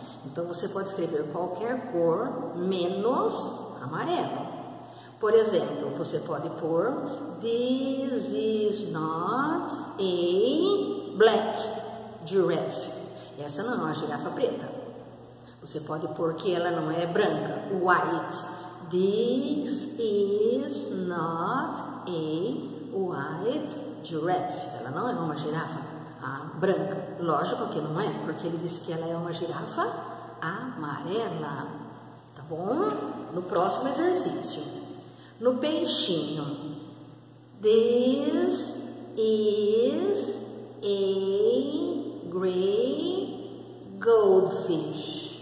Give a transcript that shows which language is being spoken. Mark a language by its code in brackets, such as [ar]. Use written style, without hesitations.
[pt] Então, você pode escrever qualquer cor menos amarela. Por exemplo, você pode pôr [en] This is not a black giraffe. [pt] Essa não é uma girafa preta. Você pode pôr que ela não é branca, white. [en] This is not a white giraffe. [pt] Ela não é uma girafa branca. Lógico que não é, porque ele disse que ela é uma girafa amarela. Tá bom? No próximo exercício. No peixinho. [en] This is a gray goldfish.